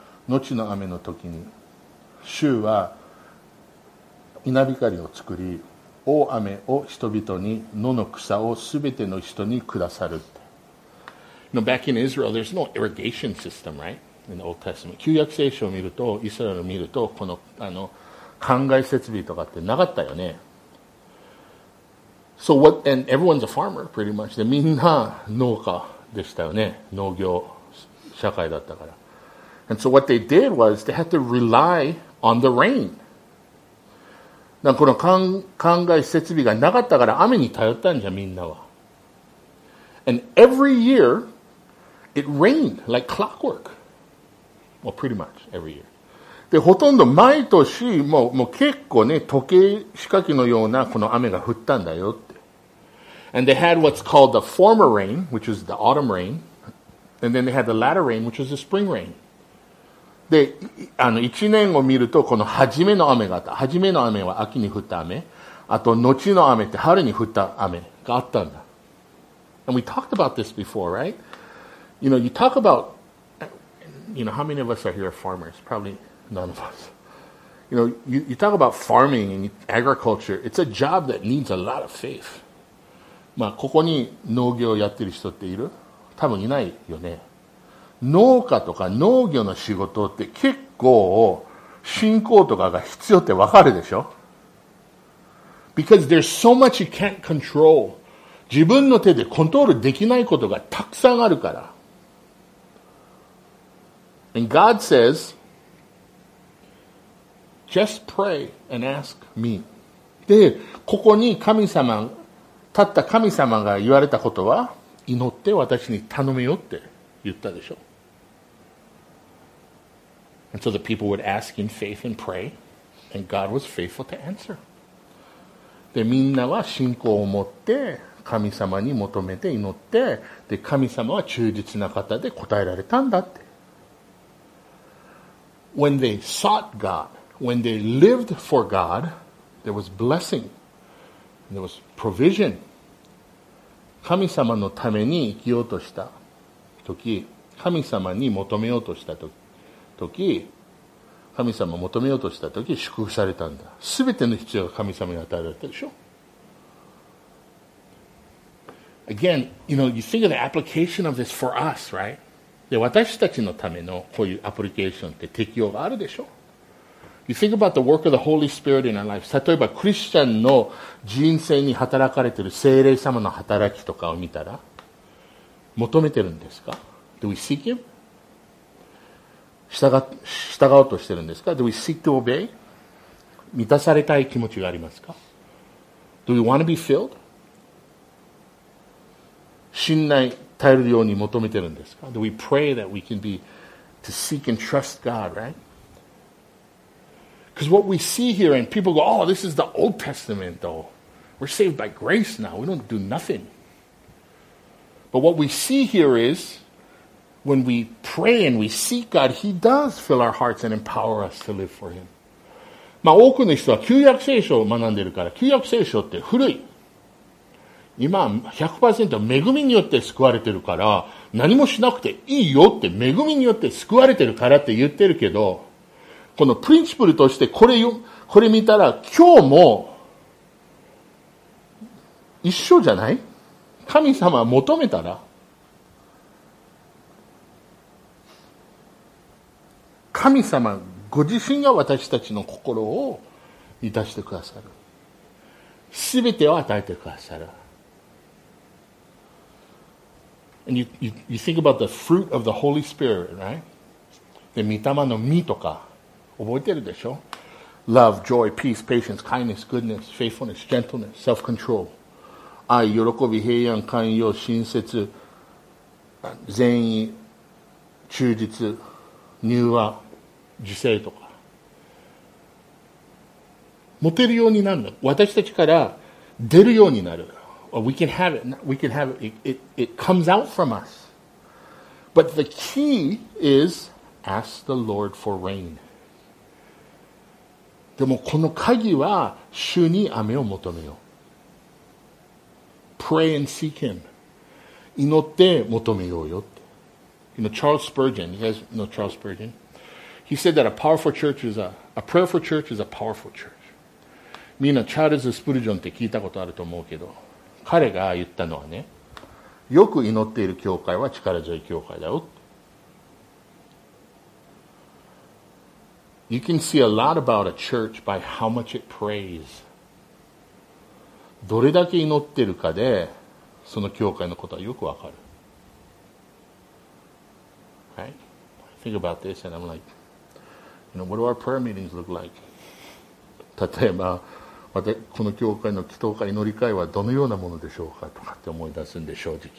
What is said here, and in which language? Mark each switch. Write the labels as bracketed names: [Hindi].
[Japanese] 後の雨の時に、主は稲光を作り、大雨を人々に、野の草をすべての人にくださる。 [English] Now, back in Israel, there's no irrigation system, right? In the Old Testament. [Japanese] 旧約聖書を見ると、イスラエルを見ると、この、灌漑設備とかってなかったよね。 [English] So what, and everyone's a farmer, pretty much. [Japanese] で、みんな農家でしたよね。農業。社会だったから。 [English] And so what they did was they had to rely on the rain. [Japanese] だからこの灌漑設備がなかったから雨に頼ったんじゃ、みんなは。 [English] And every year, it rained like clockwork. Well, pretty much every year. [Japanese] で、ほとんど毎年、もう結構ね、時計仕掛けのようなこの雨が降ったんだよって。 [English] And they had what's called the former rain, which is the autumn rain. And then they had the latter rain, which was the spring rain. [Japanese] で、一年を見ると、この初めの雨があった。初めの雨は秋に降った雨。あと、後の雨って春に降った雨があったんだ。 [English] And we talked about this before, right? You know, you talk about, you know, how many of us are here farmers? Probably none of us. You know, you talk about farming and agriculture. It's a job that needs a lot of faith. [Japanese] まあ、ここに農業をやってる人っている？多分いないよね。農家とか農業の仕事って結構信仰とかが必要ってわかるでしょ？ [English] Because there's so much you can't control. [Japanese] 自分の手でコントロールできないことがたくさんあるから。 [English] And God says, just pray and ask me. [Japanese] で、ここに神様、たった神様が言われたことは祈って私に頼めよって言ったでしょ。 [English] And so the people would ask in faith and pray, and God was faithful to answer. [Japanese] で、みんなは信仰を持って神様に求めて祈って、で、神様は忠実な方で答えられたんだって。 [English] When they sought God, when they lived for God, there was blessing, there was provision. [Japanese] 神様のために生きようとしたとき、神様に求めようとしたとき、神様を求めようとしたとき、祝福されたんだ。すべての必要が神様に与えられたでしょ。 [English] Again, you know, you think of the application of this for us, right? [Japanese] で、私たちのためのこういうアプリケーションって適用があるでしょ。 [English] You think about the work of the Holy Spirit in our life. [Japanese] 例えばクリスチャンの人生に働かれている聖霊様の働きとかを見たら、求めてるんですか？ [English] Do we seek him? [Japanese] 従おうとしてるんですか？ [English] Do we seek to obey? [Japanese] 満たされたい気持ちがありますか？ [English] Do we want to be filled? [Japanese] 信頼、頼るように求めてるんですか？ [English] Do we pray that we can be to seek and trust God, right? Because what we see here, and people go, oh, this is the Old Testament, though. We're saved by grace now. We don't do nothing. But what we see here is, when we pray and we seek God, He does fill our hearts and empower us to live for Him. [Japanese] まあ、多くの人は旧約聖書を学んでるから、旧約聖書って古い。今、100% 恵みによって救われてるから、何もしなくていいよって、恵みによって救われてるからって言ってるけど、このプリンシプルとしてこれ見たら今日も一緒じゃない？神様求めたら神様ご自身が私たちの心を満たしてくださる。すべてを与えてくださる。 [English] And you think about the fruit of the Holy Spirit, right? [Japanese] で、御霊の実とか覚えてるでしょ? [English] Love, joy, peace, patience, kindness, goodness, faithfulness, gentleness, self-control. [Japanese] 愛、喜び、平安、寛容、親切、善意、忠実、柔和、受精とか。持てるようになるの。私たちから出るようになる。 [English] We can have it. We can have it. It comes out from us. But the key is ask the Lord for rain. [Japanese] でもこの鍵は主に雨を求めよう。 [English] Pray and seek him. [Japanese] 祈って求めようよって。 [English] You know, Charles Spurgeon, you guys know Charles Spurgeon? He said that a powerful church is a prayerful church is a powerful church. [Japanese] みんなチャールズ・スプルジョンって聞いたことあると思うけど、彼が言ったのはね、よく祈っている教会は力強い教会だよ。 [English] You can see a lot about a church by how much it prays. [Japanese] どれだけ祈ってるかで、その教会のことはよくわかる。 [English] Right? I think about this and I'm like, you know, what do our prayer meetings look like? [Japanese] 例えば、この教会の祈祷会、祈り会はどのようなものでしょうかとかって思い出すんで、正直。